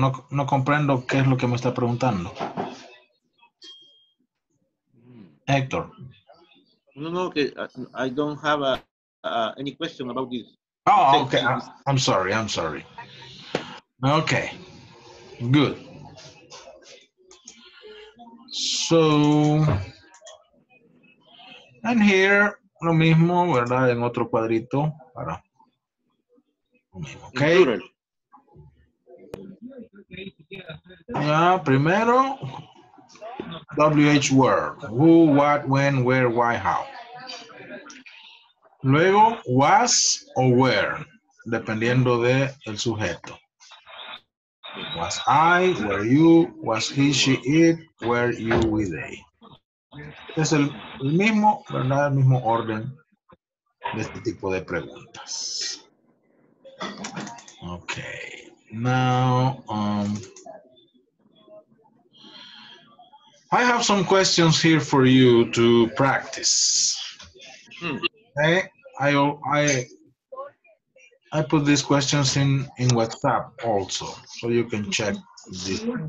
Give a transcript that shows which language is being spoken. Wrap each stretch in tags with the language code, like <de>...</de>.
<es>No comprendo qué es lo que me está preguntando. Héctor. No, que</es> <en>I don't have any question about this. Oh, okay. I'm sorry. Okay. Good. So, and here,</en> <es>lo mismo, ¿verdad? En otro cuadrito. Para. Okay.</es> <en>Yeah,</en> <es>primero,</es> <en>WH word. Who, what, when, where, why, how.</en> <es>Luego,</es> <en>was or were,</en> <es>dependiendo de el sujeto.</es> <en>Was I, were you, was he, she, it, were you, we, they.</en> <es>Es el mismo, pero no el mismo orden de este tipo de preguntas.</es> <en>Okay. Now, I have some questions here for you to practice. Okay. I put these questions in WhatsApp also, so you can check this.</en>